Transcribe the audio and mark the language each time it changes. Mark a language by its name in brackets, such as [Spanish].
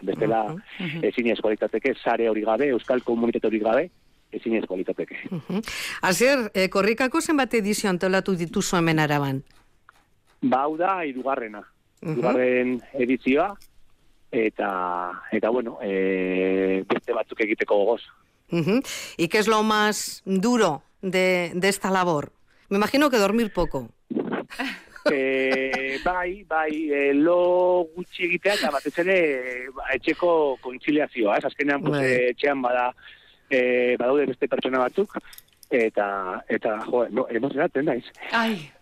[Basque] Bestela, ezin ezko litzateke, sare hori gabe, euskal komunitate hori gabe, ezin ezko litzateke. Uh-huh. Asier, korrikako zenbat edizio antolatu dituzu hemen Araban? Ba, hau da, hirugarrena. Hirugarren edizioa, eta bueno, beste batzuk egiteko gogoz. Uh-huh. [Spanish] ¿Y qué es lo más duro de esta labor? Me imagino que dormir poco. [Basque] Bai, lo gutxi egitea, eta batez ere etxeko kontziliazioa, ez azkenean, pues, etxean badaude beste pertsona batzuk, eta jo, no, emozionatzen naiz. Ai.